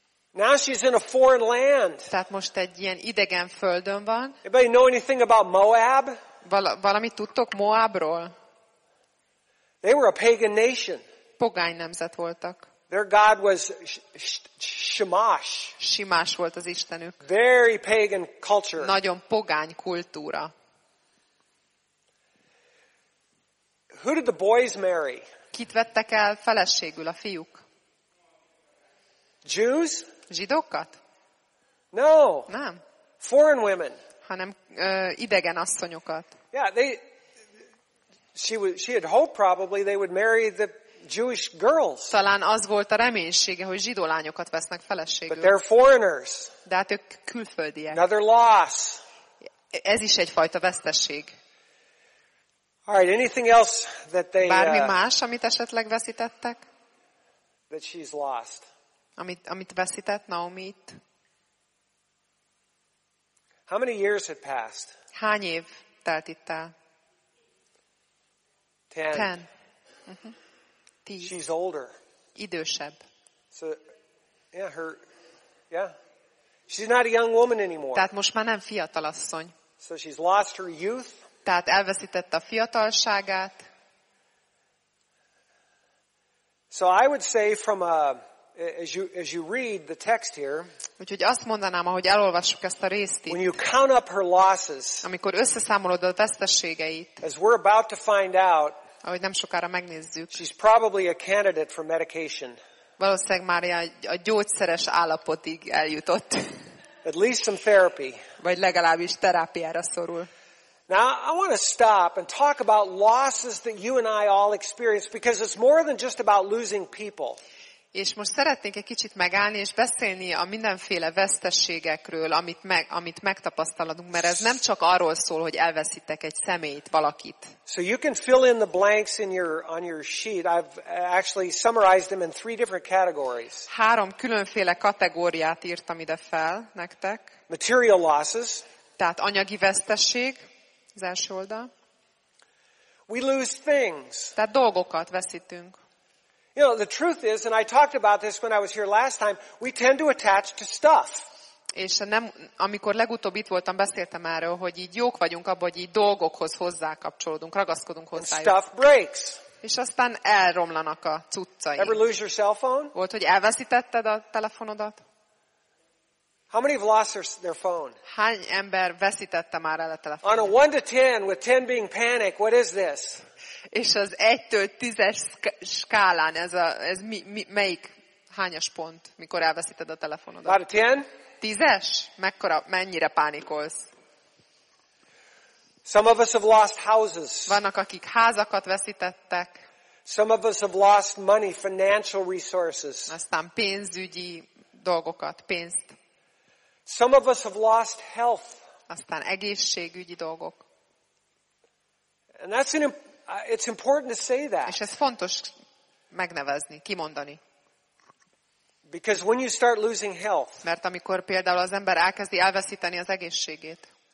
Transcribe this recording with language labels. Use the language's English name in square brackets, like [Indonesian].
[English] Now she's in a foreign land. [Hungarian] Tehát most egy ilyen idegen földön van. [English] Anybody know anything about Moab? [Hungarian] Valami tudtok Moabról? [English] They were a pagan nation. [Hungarian] Pogány nemzet voltak. [English] Their god was Shamash. [Hungarian] Shamash volt az istenük. [English] Very pagan culture. [Hungarian] Nagyon pogány kultúra. [English] Who did the boys marry? [Hungarian] Kit vettek el feleségül a fiúk? [English] Jews? [Hungarian] Zsidókat? [English] No. [Hungarian] Nem. [English] Foreign women. [Hungarian] Hanem idegen asszonyokat. [English] Yeah, she had hoped probably they would marry the Jewish girls. [Hungarian] Talán az volt a reménysége, hogy zsidó lányokat vesznek feleségül. [English] But they're foreigners. [Hungarian] De hát ők külföldiek. [English] Another loss. [Hungarian] Ez is egyfajta veszteség. [English] All right, anything else that they [Hungarian] bármi más, amit esetleg veszítettek? [English] That she's lost. [Hungarian] Amit veszített Naomi. [English] How many years had passed? [Hungarian] Hány év telt itt el? [English] Ten. [Hungarian] Tíz. [English] She's older. [Hungarian] Idősebb. [English] So, yeah, she's not a young woman anymore. [Hungarian] Tehát most már nem fiatal asszony. [English] So she's lost her youth. [Hungarian] Tehát elveszítette a fiatalságát. [English] So I would say from as you read the text here. [Hungarian] Úgyhogy azt mondanám, ahogy elolvassuk ezt a részt itt. [English] When you count up her losses. [Hungarian] Amikor összeszámolod a veszteségeit. [English] As we're about to find out. [Hungarian] Ahogy nem sokára megnézzük. [English] She's probably a candidate for medication. [Hungarian] Valószínűleg már a gyógyszeres állapotig eljutott. [English] at least some therapy. [Hungarian] Vagy legalábbis terápiára szorul. [English] Now I want to stop and talk about losses that you and I all experience because it's more than just about losing people. [Hungarian] És most szeretnék egy kicsit megállni és beszélni a mindenféle veszteségekről, amit megtapasztalunk, mert ez nem csak arról szól, hogy elveszítek egy személyt, valakit. [English] So you can fill in the blanks in your on your sheet. I've actually summarized them in three different categories. [Hungarian] Három különféle kategóriát írtam ide fel nektek. [English] Material losses. [Hungarian] Tehát anyagi veszteség. Az első oldal. [English] We lose things. [Hungarian] Tehát dolgokat veszítünk. [English] You know, the truth is, and I talked about this when I was here last time, we tend to attach to stuff. [Hungarian] És nem, amikor legutóbb itt voltam, beszéltem erről, hogy így jók vagyunk abban, hogy így dolgokhoz hozzákapcsolódunk, ragaszkodunk hozzájuk. [English] And stuff breaks. [Hungarian] És aztán elromlanak a cuccaink. [English] Ever lose your cell phone? [Hungarian] Volt, hogy elveszítetted a telefonodat? [English] How many have lost their phone? [Hungarian] Hány ember veszítette már el a telefonot? [English] On a 1 to 10, with 10 being panic, what is this? [Hungarian] És az 1-től 10-es skálán ez melyik hányas pont, mikor elveszíted a telefonodat? [English] About a 10? [Hungarian] 10-es? Mekkora, mennyire pánikolsz? [English] Some of us have lost houses. [Hungarian] Vannak, akik házakat veszítettek. [English] Some of us have lost money, financial resources. [Hungarian] Aztán pénzügyi dolgokat, pénzt. [English] Some of us have lost health. [Hungarian] Aztán egészségügyi dolgok. [English] And that's an it's important to say that. [Hungarian] És ez fontos megnevezni, kimondani. [English] Because when you start losing health. [Hungarian] Mert amikor például az ember elkezdi elveszíteni az egészségét.